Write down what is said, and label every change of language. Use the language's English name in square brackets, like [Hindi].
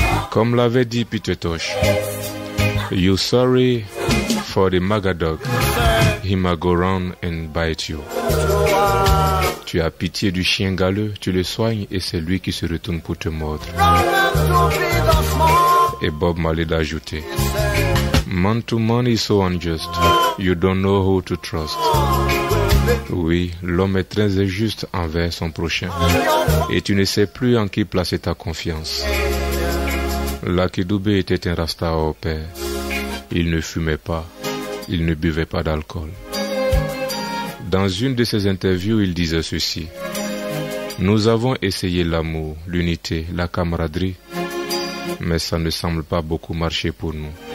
[French] Comme l'avait dit Peter Tosh, [English] you sorry for the Magadog, he may go round and bite you. [French] Tu as pitié du chien galeux, tu le soignes et c'est lui qui se retourne pour te mordre. Et Bob Marley d'ajouter, [English] man to man is so unjust, you don't know who to trust. [French] Oui, l'homme est très injuste envers son prochain et tu ne sais plus en qui placer ta confiance. Lucky Dubé était un rasta au père. Il ne fumait pas, il ne buvait pas d'alcool. Dans une de ses interviews, il disait ceci. Nous avons essayé l'amour, l'unité, la camaraderie, mais ça ne semble pas beaucoup marcher pour nous.